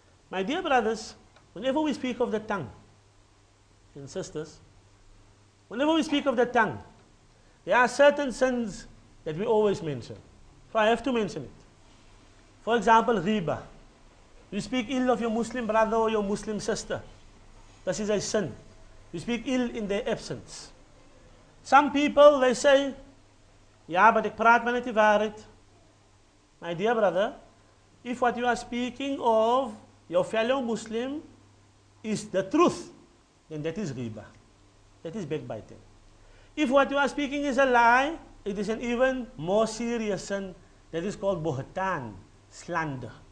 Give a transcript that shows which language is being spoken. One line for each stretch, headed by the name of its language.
English: My dear brothers, whenever we speak of the tongue, and sisters, whenever we speak of the tongue, there are certain sins that we always mention. So I have to mention it. For example, riba. You speak ill of your Muslim brother or your Muslim sister. This is a sin. You speak ill in their absence. Some people, they say,
Dutch: ja, maar ik praat maar niet die waarheid.
English: My dear brother, if what you are speaking of your fellow Muslim is the truth, then that is riba. That is backbiting. If what you are speaking is a lie, it is an even more serious sin that is called buhtan, slander.